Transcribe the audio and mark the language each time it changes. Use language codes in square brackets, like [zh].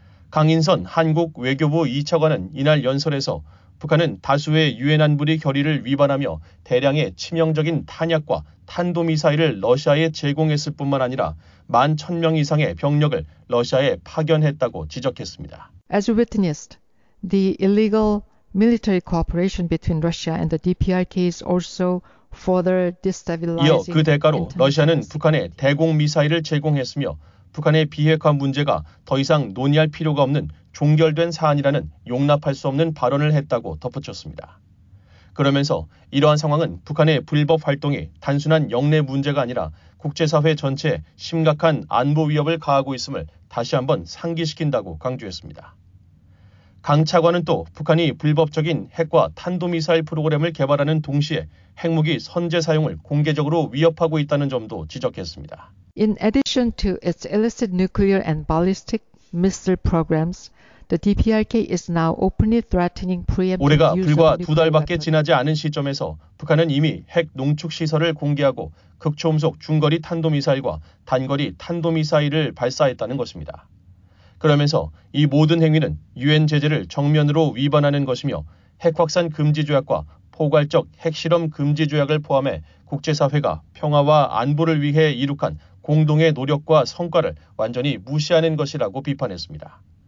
[ko] 강인선 한국 외교부 2차관은 이날 연설에서 북한은 다수의 유엔 안보리 결의를 위반하며 대량의 치명적인 탄약과 탄도미사일을 러시아에 제공했을 뿐만 아니라 1만 1,000명 이상의 병력을 러시아에 파견했다고 지적했습니다. [en] As we witnessed, the illegal military cooperation between Russia and the DPRK is also [ko] 이어 그 대가로 러시아는 북한에 대공 미사일을 제공했으며 북한의 비핵화 문제가 더 이상 논의할 필요가 없는 종결된 사안이라는 용납할 수 없는 발언을 했다고 덧붙였습니다. 그러면서 이러한 상황은 북한의 불법 활동이 단순한 영내 문제가 아니라 국제사회 전체에 심각한 안보 위협을 가하고 있음을 다시 한번 상기시킨다고 강조했습니다. 강 차관은 또 북한이 불법적인 핵과 탄도미사일 프로그램을 개발하는 동시에 핵무기 선제 사용을 공개적으로 위협하고 있다는 점도 지적했습니다. [en] In addition to its illicit nuclear and ballistic missile programs, the DPRK is now openly threatening preemptive use. [ko] 올해가 불과 두 달밖에 지나지 않은 시점에서 북한은 이미 핵 농축 시설을 공개하고 극초음속 중거리 탄도미사일과 단거리 탄도미사일을 발사했다는 것입니다. 그러면서 이 모든 행위는 유엔 제재를 정면으로 위반하는 것이며 핵확산 금지 조약과 포괄적 핵실험 금지 조약을 포함해 국제사회가 평화와 안보를 위해 이룩한 공동의 노력과 성과를 완전히 무시하는 것이라고 비판했습니다.